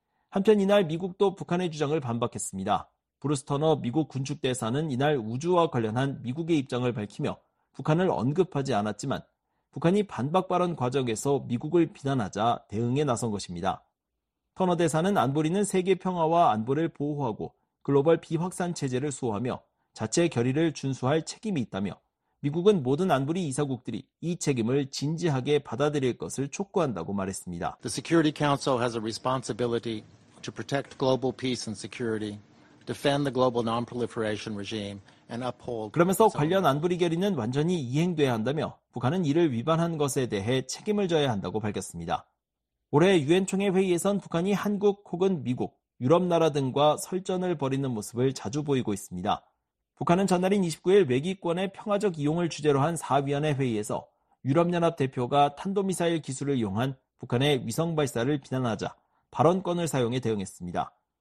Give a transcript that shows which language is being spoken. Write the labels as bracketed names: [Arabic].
[Korean] 한편 이날 미국도 북한의 주장을 반박했습니다. 브루스 터너 미국 군축대사는 이날 우주와 관련한 미국의 입장을 밝히며 북한을 언급하지 않았지만 북한이 반박 발언 과정에서 미국을 비난하자 대응에 나선 것입니다. 터너 대사는 안보리는 세계 평화와 안보를 보호하고 글로벌 비확산 체제를 수호하며 자체 결의를 준수할 책임이 있다며 미국은 모든 안보리 이사국들이 이 책임을 진지하게 받아들일 것을 촉구한다고 말했습니다. [English] The Security Council has a responsibility to protect global peace and security, defend the global non-proliferation regime. [Korean] 그러면서 관련 안보리 결의는 완전히 이행돼야 한다며 북한은 이를 위반한 것에 대해 책임을 져야 한다고 밝혔습니다. 올해 유엔총회 회의에선 북한이 한국 혹은 미국, 유럽 나라 등과 설전을 벌이는 모습을 자주 보이고 있습니다. 북한은 전날인 29일 외기권의 평화적 이용을 주제로 한 4위원회 회의에서 유럽연합 대표가 탄도미사일 기술을 이용한 북한의 위성 발사를 비난하자 발언권을 사용해 대응했습니다.